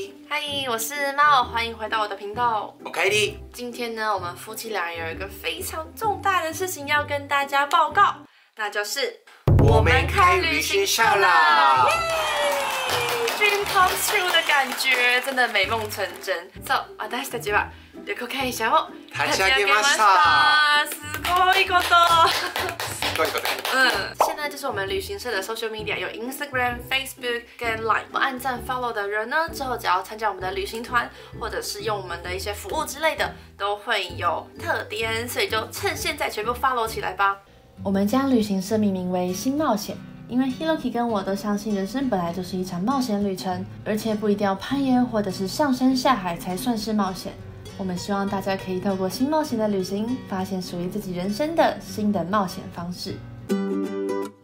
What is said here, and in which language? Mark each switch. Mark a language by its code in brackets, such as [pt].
[zh] 嗨，我是猫，欢迎回到我的频道。我凯蒂，今天呢，我们夫妻俩有一个非常重大的事情要跟大家报告，那就是我们开旅行社了。 [en] Dream come true [zh] 的感觉，真的美梦成真。 [ja] So, 私たちは旅行会社を立ち上げました。すごいこと。 [zh] 对对对，现在就是我们旅行社的 social media， 有 Instagram、Facebook 跟 Line。我们按赞 follow 的人呢，之后只要参加我们的旅行团，或者是用我们的一些服务之类的，都会有特点，所以就趁现在全部 follow 起来吧。我们将旅行社命名为新冒险，因为 Hiroki 跟我都相信人生本来就是一场冒险旅程，而且不一定要攀岩或者是上山下海才算是冒险。我们希望大家可以透过新冒险的旅行，发现属于自己人生的新的冒险方式。